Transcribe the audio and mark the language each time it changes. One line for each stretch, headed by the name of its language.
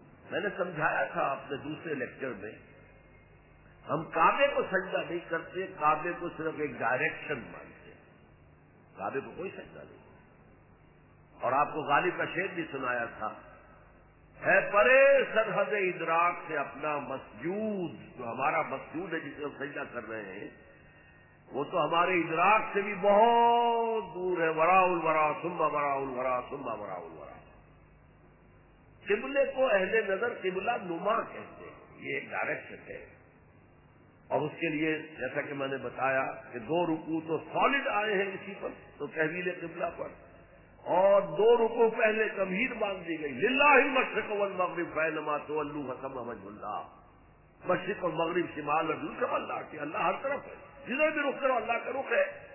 Urdu: میں نے سمجھایا تھا اپنے دوسرے لیکچر میں، ہم کعبے کو سجدہ نہیں کرتے، کعبے کو صرف ایک ڈائریکشن مانتے ہیں، کعبے کو کوئی سجدہ نہیں. اور آپ کو غالب کا شعر بھی سنایا تھا، ہے پرے سرحد ادراک سے اپنا مسجود، جو ہمارا مسجود ہے جسے ہم سجدہ کر رہے ہیں وہ تو ہمارے ادراک سے بھی بہت دور ہے.
Arabic: وراء الورا ثم وراء الورا ثم وراء الورا.
Urdu: قبلے کو اہل نظر قبلہ نما کہتے ہیں، یہ ایک ڈائریکشن ہے. اور اس کے لیے جیسا کہ میں نے بتایا کہ دو رکوع تو سالڈ آئے ہیں اسی پر، تو تحویل قبلہ پر، اور دو رکوع پہلے تمہید باندھ دی گئی،
Arabic: للہ المشرق والمغرب فاینما تولوا فثم وجه اللہ،
Urdu: مشرق اور مغرب شمال اور جنوب اللہ کی، اللہ ہر طرف ہے، جدھر بھی رخ کرو اللہ کا رخ ہے.